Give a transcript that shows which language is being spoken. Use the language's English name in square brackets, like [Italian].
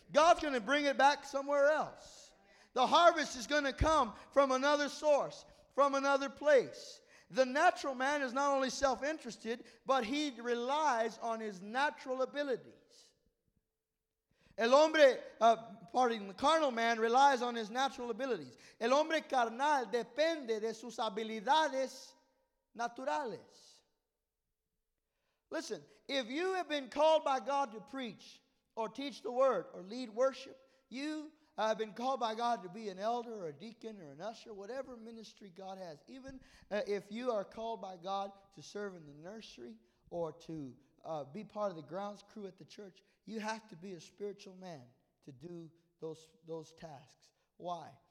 [English] God's going to bring it back somewhere else. The harvest is going to come from another source, from another place. The natural man is not only self-interested, but he relies on his natural abilities. The carnal man relies on his natural abilities. [Spanish] El hombre carnal depende de sus habilidades naturales. [English] Listen, if you have been called by God to preach or teach the word or lead worship, you I've been called by God to be an elder or a deacon or an usher, whatever ministry God has. Even if you are called by God to serve in the nursery or to be part of the grounds crew at the church, you have to be a spiritual man to do those tasks. Why?